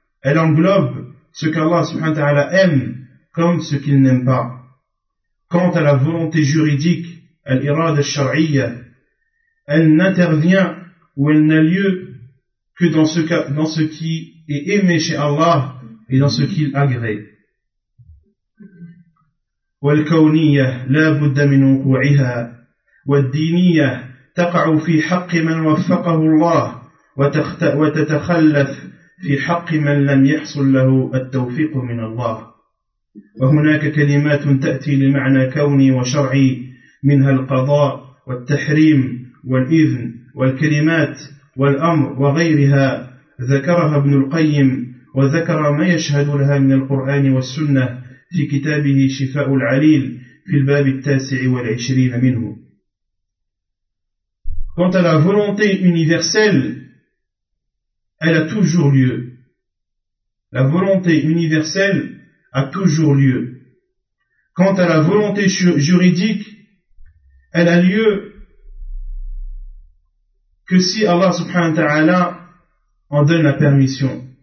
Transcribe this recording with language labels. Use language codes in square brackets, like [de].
[fr] Elle englobe ce qu'Allah subhanahu wa ta'ala aime comme ce qu'il n'aime pas. Quant à la volonté juridique, al-irada al-shar'iyya, elle n'intervient ou elle n'a lieu que dans ce qui est aimé chez Allah et dans ce qu'il agrée. [ar] والكونية لا بد من وقوعها والدينية تقع في حق من وفقه الله وتتخلف في حق من لم يحصل له التوفيق من الله وهناك كلمات تأتي لمعنى كوني وشرعي منها القضاء والتحريم والإذن والكلمات والأمر وغيرها ذكرها ابن القيم وذكر ما يشهد لها من القرآن والسنة في كتابه شفاء العليل في الباب 29 منه. [fr] Quant à la volonté universelle, elle a toujours lieu. La volonté universelle a toujours lieu. Quant à la volonté juridique, elle a lieu que si Allah subhanahu wa ta'ala en donne la permission.